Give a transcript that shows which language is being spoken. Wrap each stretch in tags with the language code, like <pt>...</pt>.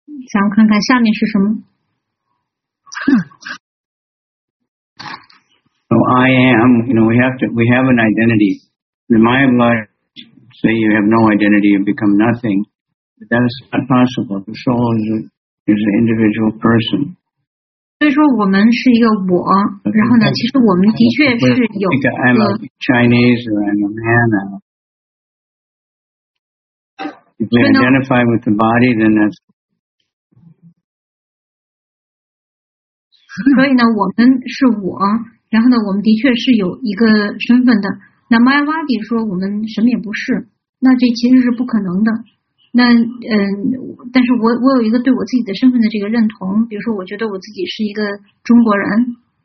<zh>想看看下面是什么。</zh> <en>So I am, you know, we have an identity. In my life, say you have no identity, you become nothing. But that is not possible. The soul is an individual person.</en> <zh>所以说我们是一个我，然后呢，其实我们的确是有一个。</zh> <en>I'm a Chinese or I'm a man. If we identify with the body, then that's.</en> <zh>所以呢，我们是我，然后呢，我们的确是有一个身份的。那 Mayavadi 说我们什么也不是，那这其实是不可能的。那但是我有一个对我自己的身份的这个认同，比如说我觉得我自己是一个中国人。</zh>